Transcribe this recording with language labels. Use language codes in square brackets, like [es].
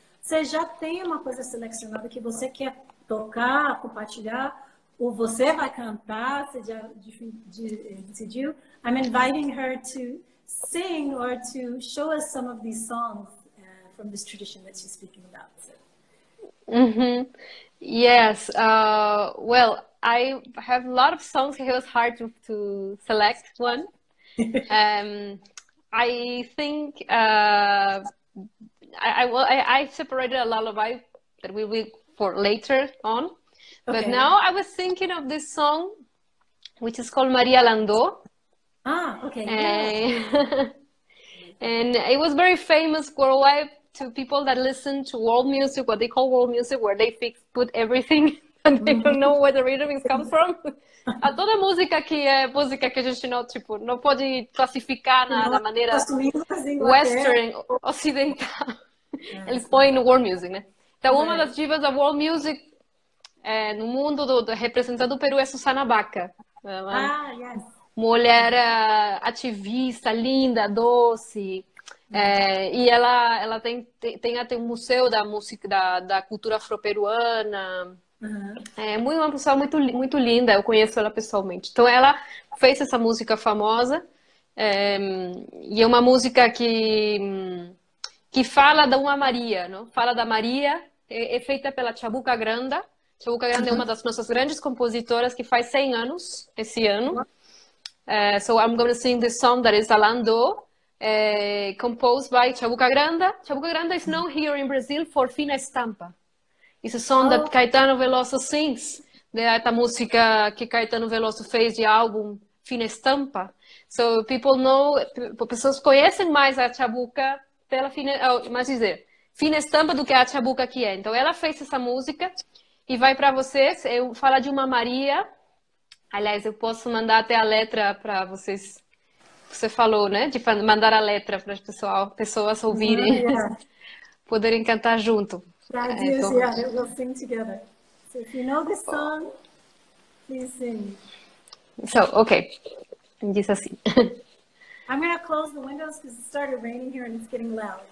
[pt] Você já tem uma coisa selecionada que você quer tocar, compartilhar, ou você vai cantar, você já decidiu? [en] I'm inviting her to sing or to show us some of these songs from this tradition that she's speaking about. So. Yes, well, I have a lot of songs. It was hard to select one. I think I separated a lullaby that will be for later on. Okay. But now I was thinking of this song, which is called Maria Landau. Ah, okay. And it was very famous worldwide to people that listen to world music, what they call world music, where they fix, put everything and they don't know where the rhythm is come from. [pt] A toda música que é música que a gente não, tipo, não pode classificar na, na maneira western, ocidental. Eles põem no world music, né? Então, uma das divas da world music é, no mundo do, do representante do Peru é Susana Baca. [en] Ah, yes. [pt] Mulher ativista, linda, doce. É, e ela, ela tem, tem até um museu da música, da, da cultura afro-peruana. Uhum. É uma pessoa muito, muito linda, eu conheço ela pessoalmente. Então, ela fez essa música famosa. É, e é uma música que fala de uma Maria, não? Fala da Maria, é, é feita pela Chabuca Granda. Chabuca Granda é uma das nossas grandes compositoras que faz 100 anos esse ano. [en] So I'm going to sing the song that is Alando, composed by Chabuca Granda. Chabuca Granda is known here in Brazil for Fina Estampa. It's a song that Caetano Veloso sings. [pt] Essa música que Caetano Veloso fez de álbum Fina Estampa. [en] So people know, [pt] pessoas conhecem mais a Chabuca pela Fina, mais dizer, Fina Estampa do que a Chabuca que é. Então ela fez essa música e vai para vocês. Eu falo de uma Maria. Aliás, eu posso mandar até a letra para vocês. Você falou, né? De mandar a letra para as pessoal, pessoas ouvirem, poderem cantar junto. [en] That is, [pt] então, [en] yeah, we will sing together. So if you know the song, please sing. So, okay. [pt] Diz assim. [en] I'm going to close the windows because it started raining here and it's getting loud.